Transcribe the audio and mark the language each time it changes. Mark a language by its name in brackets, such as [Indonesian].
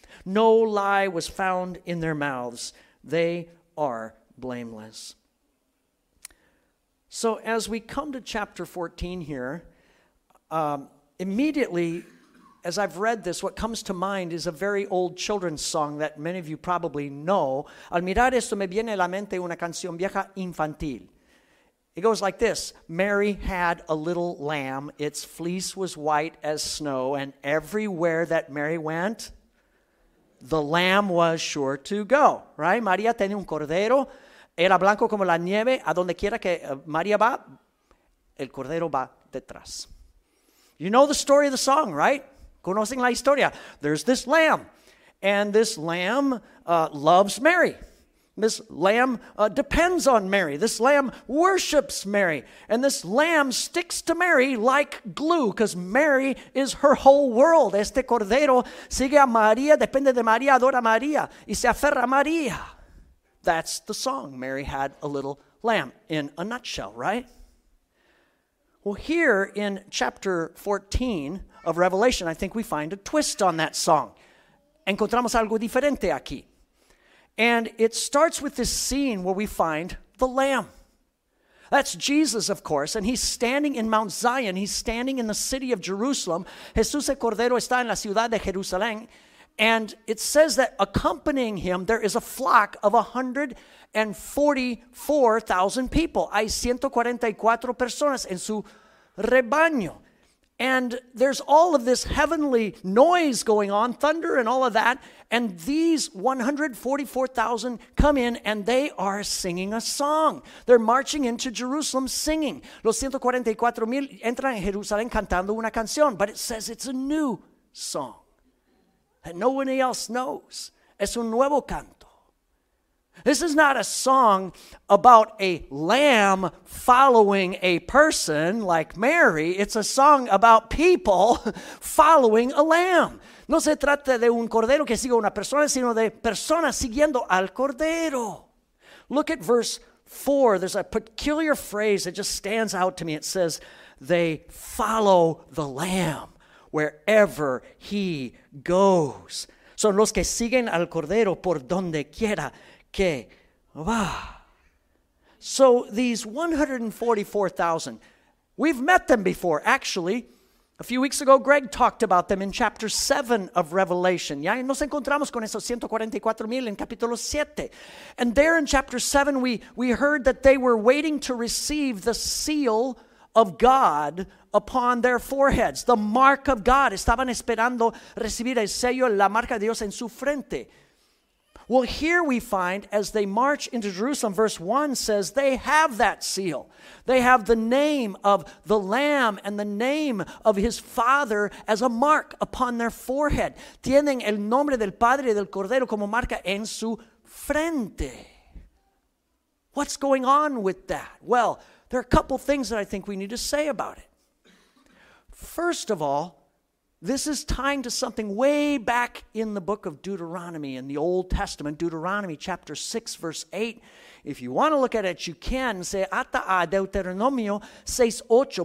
[English] No lie was found in their mouths. They are blameless. So as we come to chapter 14 here, immediately, as I've read this, what comes to mind is a very old children's song that many of you probably know. [Spanish] Al mirar esto me viene a la mente una canción vieja infantil. [English] It goes like this. Mary had a little lamb. Its fleece was white as snow. And everywhere that Mary went, the lamb was sure to go. [Spanish] Right? María tenía un cordero. Era blanco como la nieve. A donde quiera que María va, el cordero va detrás. [English] You know the story of the song, right? [Spanish] Conocen la historia. [English] There's this lamb, and this lamb loves Mary. This lamb depends on Mary. This lamb worships Mary, and this lamb sticks to Mary like glue because Mary is her whole world. [Spanish] Este cordero sigue a María, depende de María, adora a María, y se aferra a María. [English] That's the song, Mary Had a Little Lamb, in a nutshell, right? Well, here in chapter 14 of Revelation, I think we find a twist on that song. [Spanish] Encontramos algo diferente aquí. [English] And it starts with this scene where we find the Lamb. That's Jesus, of course, and he's standing in Mount Zion. He's standing in the city of Jerusalem. [Spanish] Jesús el Cordero está en la ciudad de Jerusalén. [English] And it says that accompanying him, there is a flock of 144,000 people. [Spanish] Hay 144 personas en su rebaño. [English] And there's all of this heavenly noise going on, thunder and all of that. And these 144,000 come in and they are singing a song. They're marching into Jerusalem singing. [Spanish] Los 144,000 entran en Jerusalén cantando una canción. [English] But it says it's a new song that nobody else knows. [Spanish] Es un nuevo canto. [English] This is not a song about a lamb following a person like Mary. It's a song about people following a lamb. [Spanish] No se trata de un cordero que siga una persona, sino de personas siguiendo al cordero. [English] Look at verse 4. There's a peculiar phrase that just stands out to me. It says, they follow the lamb wherever he goes. [Spanish] Son los que siguen al cordero por donde quiera. Okay. Wow. [English] So these 144,000, we've met them before, actually. A few weeks ago, Greg talked about them in chapter 7 of Revelation. [Spanish] Ya nos encontramos con esos 144,000 en capítulo 7. [English] And there in chapter 7, we heard that they were waiting to receive the seal of God upon their foreheads, the mark of God. [Spanish] Estaban esperando recibir el sello, la marca de Dios en su frente. [English] Well, here we find, as they march into Jerusalem, verse 1 says they have that seal. They have the name of the Lamb and the name of His Father as a mark upon their forehead. [Spanish] Tienen el nombre del Padre y del Cordero como marca en su frente. [English] What's going on with that? Well, there are a couple things that I think we need to say about it. First of all, this is tying to something way back in the book of Deuteronomy in the Old Testament, Deuteronomy chapter 6, verse 8. If you want to look at it, you can say, [Spanish] Ata a Deuteronomio 6, 8.